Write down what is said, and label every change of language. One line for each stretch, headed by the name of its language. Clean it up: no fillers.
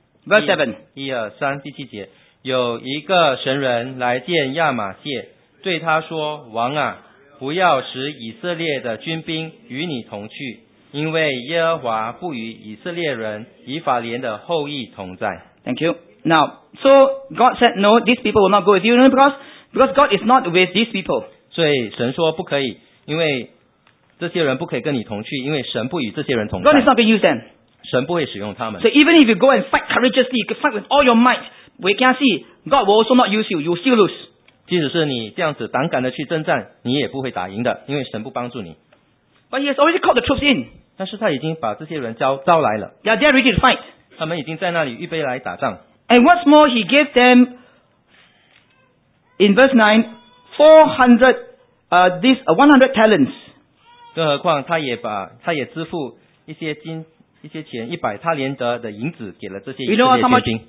English: Verse 7.
Chinese: 1, 2, 3, 第七节。有一个神人来见亚玛谢，对他说，王啊，不要使以色列的军兵与你同去，因为耶和华不与以色列人以法莲的后裔同在。
English: Thank you. Now, so God said, no, these people will not go with you, because God is not with these people.
Chinese: 所以神说不可以，因为这些人不可以跟你同去，因为神不与这些人同在。
English: God is not going to use them.
Chinese: 神不会使用他们。
English: So even if you go and fight courageously, you can fight with all your might, we can see, God will also not use you, you will still lose.
Chinese: 即使是你这样子胆敢的去征战，你也不会打赢的，因为神不帮助你。
English: But he has already called the troops in.
Chinese: 但是他已经把这些人招来了。
English: Yeah, they are ready to fight.
Chinese: 他们已经在那里预备来打仗。
English: And what's more, he gave them in verse 9, 100 talents.
Chinese: 更何况他也支付一些金一些钱一百他连德的银子给了这些以色列军。